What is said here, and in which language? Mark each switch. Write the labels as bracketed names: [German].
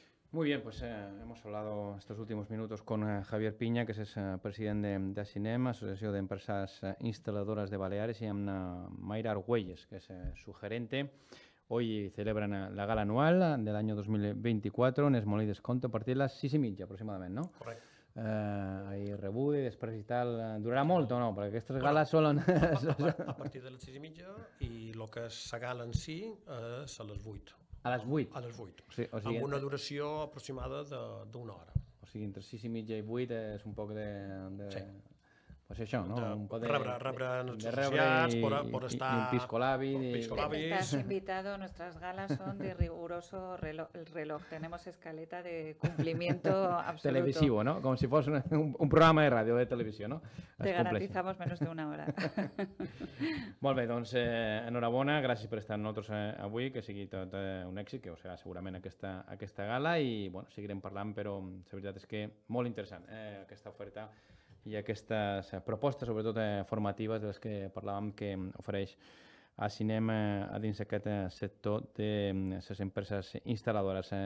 [Spanish] Muy bien, pues hemos hablado estos últimos minutos con Javier Piña, que es presidente de CINEM, Asociación de Empresas Instaladoras de Baleares, y con Mayra Argüelles, que es su gerente. Hoy celebran la gala anual del año 2024 en Esmolí Descompte, a partir de las 6:30 aproximadamente, ¿no? Correcto. [Catalan] Ahí rebuda i després i tal, durarà molt o no? Perquè aquestes gales solen... A partir de les 6:30 i el que és la gala en si és a les 8. A les 8? A les 8, amb una duració aproximada d'una hora. O sigui, entre 6:30 i 8 és un poc de... Sí. Pues això, no? Rebre els associats i un piscolavis. Estàs [Spanish] invitado, nuestras galas son de riguroso reloj. Tenemos escaleta de cumplimiento absoluto. Televisivo, no? [Catalan] Com si fos un programa de ràdio de televisió, no? [Spanish] Te garantizamos menos de una hora. [Catalan] Molt bé, doncs enhorabona, gràcies per estar amb nosaltres avui, que sigui tot un èxit, que ho serà segurament aquesta gala, i seguirem parlant, però la veritat és que molt interessant aquesta oferta i aquestes propostes, sobretot formatives, de les que parlàvem, que ofereix a CINEM dins d'aquest sector de les empreses instal·ladores.